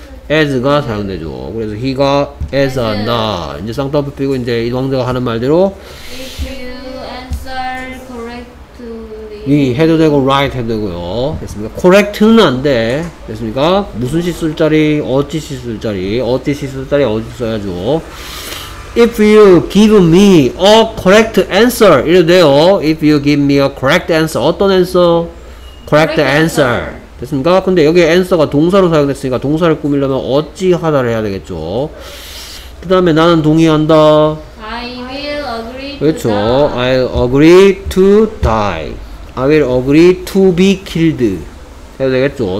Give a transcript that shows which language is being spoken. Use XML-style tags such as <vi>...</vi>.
<ko>as가 사용되죠. 그래서 he가 as 한다. 이제 쌍따옴표 빼고 이제 이왕자가 하는 말대로</ko> <en>if you answer correctly</en> <ko>이 해도 되고 right 해도 되고요. 됐습니까? correct는 안 돼. 됐습니까? 무슨 시 쓸 자리, 어찌 시 쓸 자리, 어찌 시 쓸 자리 어디 써야죠.</ko> <en>if you give me a correct answer 이래도 돼요. if you give me a correct answer</en> <ko>어떤</ko> <en>answer? correct answer</en> <ko>됐습니까? 근데 여기 answer가 동사로 사용됐으니까 동사를 꾸미려면 어찌하다를 해야 되겠죠. 그 다음에 나는 동의한다.</ko> <en>I will agree to</en> <ko>그렇죠.</ko> <en>I will agree to die. I will agree to be killed.</en> <ko>해야 되겠죠.</ko>